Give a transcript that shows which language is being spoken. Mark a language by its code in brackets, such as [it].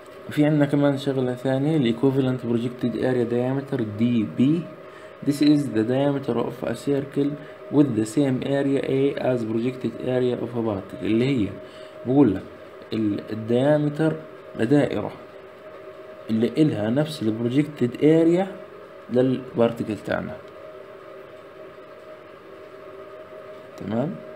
[ar] في عندنا كمان شغلة ثانية الـ equivalent projected area diameter DB. [en] This is the diameter of a circle with the same area A as projected area of a particle. [ar] اللي هي بقول لك الدايمتر لدائرة اللي إلها نفس الـ projected area للبارتيكل تاعنا. تمام.